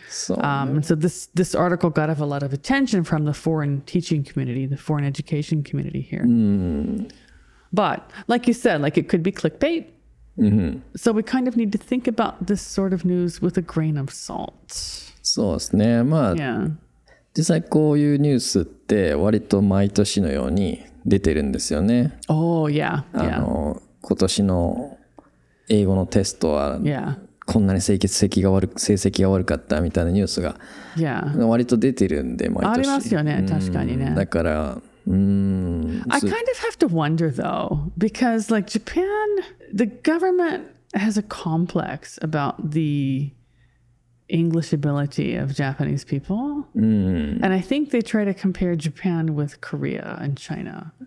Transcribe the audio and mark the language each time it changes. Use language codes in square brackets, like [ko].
[en] So this article got a lot of attention from the foreign teaching community, the foreign education community here. Mm. But like you said, like, it could be clickbait. Mm-hmm. So we kind of need to think about this sort of news with a grain of salt. So it's near mud. Yeah. [ja] 実際こういうニュースって割と毎年のように出てるんですよね。 [en] Oh, yeah. [ja] あの、今年の英語のテストはこんなに成績が悪かったみたいなニュースが割と出てるんで、毎年。ありますよね、確かにね。だから、 [en] I kind of have to wonder though, because like Japan, the government has a complex about the English ability of Japanese people. And I think they try to compare Japan with Korea and China.